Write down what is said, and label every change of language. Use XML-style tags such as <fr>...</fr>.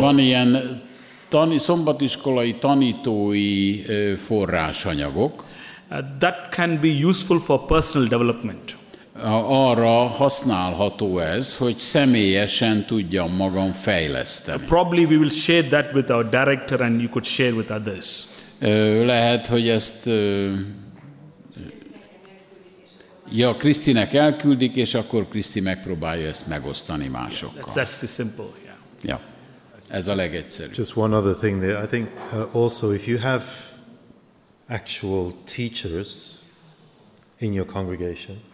<hu>Van ilyen szombatiskolai tanítói forrásanyagok.</hu> <en>That can be useful for personal development.</en> <hu>Arra használható ez, hogy személyesen tudjam magam fejleszteni.</hu> <en>Probably we will share that with our director and you could share with others.</en> <hu>Lehet, hogy ezt Ja, Krisztinek elküldik, és akkor Kriszti megpróbálja ezt megosztani másokkal.</hu> <en>Yeah, that's the simple, yeah.</en> <hu>Ja, ez a legegyszerűbb.</hu> <en>Just one other thing there. I think also if you have actual teachers in your congregation.</en>